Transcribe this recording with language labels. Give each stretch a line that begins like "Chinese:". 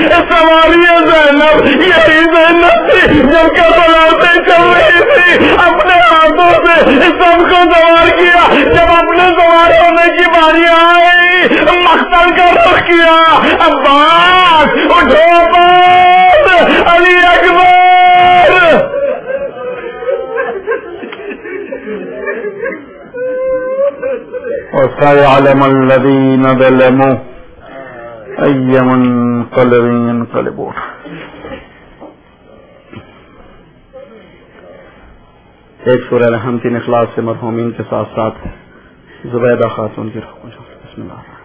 Urdu: سواری ہے زینب یہی زینب تھی جب کہ بناتے چل رہی تھی اپنے ہاتھوں سے سب کو سوار کیا جب اپنے سوار ہونے کی باری آئی مختل کا رخ کیا عباس اٹھو عباس علی اکبر
Arabic: وسيعلم الذين ظلموا أي منقلب ينقلبون.
Urdu: ایک سورہ رحم تین اخلاص سے مرحومین کے ساتھ ساتھ زبیدہ خاتون کی روح کو بسم اللہ الرحمن الرحیم.